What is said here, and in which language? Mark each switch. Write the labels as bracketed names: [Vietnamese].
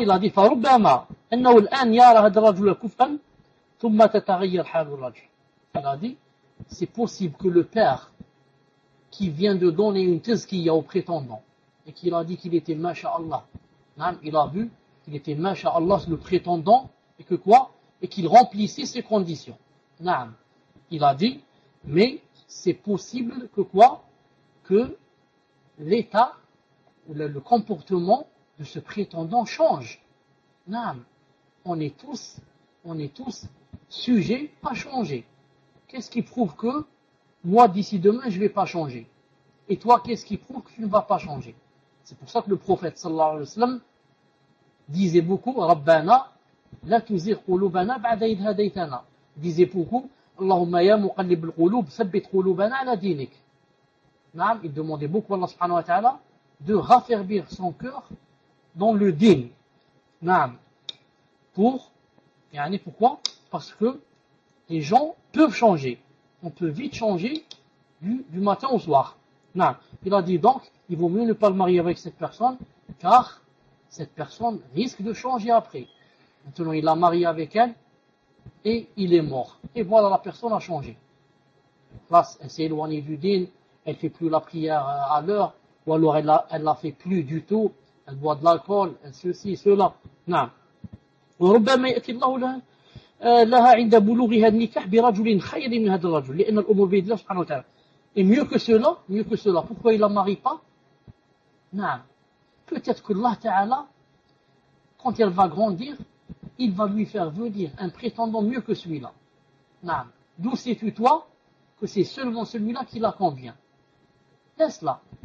[French] Il a dit, [Arabic] فَرُبَّمَا أَنَّهُ الْآن يَارَ هَدَ رَجُلَ كُفْرًا ثُمَّ تَتَغَيَّرْ حَالُ الرَّجُلَ. [French] Il a dit, c'est possible que le père qui vient de donner une tazkiyah au prétendant et qu'il a dit qu'il était masha'Allah, il a vu qu'il était masha'Allah le prétendant et que quoi? Et qu'il remplissait ses conditions. Naam. Il a dit, mais c'est possible que quoi? Que l'état ou le comportement de ce prétendant change. Naam. On est tous sujets à changer. Qu'est-ce qui prouve que moi d'ici demain je ne vais pas changer? Et toi, qu'est-ce qui prouve que tu ne vas pas changer? C'est pour ça que le prophète sallallahu alayhi wa sallam disait beaucoup, [Arabic] Rabbana, لا تزغ قلوبنا بعد إذ هديتنا. [French] Disait beaucoup, [Arabic] اللهم يا مقلب القلوب ثبت قلوبنا على دينك. [French] Naam, il demandait beaucoup à Allah subhanahu wa ta'ala de raffermir son cœur dans le din. Naam. Pourquoi? Parce que les gens peuvent changer. On peut vite changer du matin au soir. Naam. Il a dit donc, il vaut mieux ne pas le marier avec cette personne car cette personne risque de changer après. Maintenant, il l'a marié avec elle et il est mort. Et voilà, la personne a changé. Là, elle s'est éloignée du din, elle ne fait plus la prière à l'heure, ou alors elle ne la fait plus du tout, elle boit de l'alcool, ceci, cela. Non. [Arabic] وربما يأتي الله لها عند بلوغها النكاح برجل خير من هذا الرجل لأن الأمور بيد الله سبحانه وتعالى. [French] Et mieux que cela, pourquoi il ne la marie pas? Non. Peut-être que Allah Ta'ala, quand elle va grandir, il va lui faire venir un prétendant mieux que celui-là. Naam. D'où sais-tu toi que c'est seulement celui-là qui la convient. Laisse-la.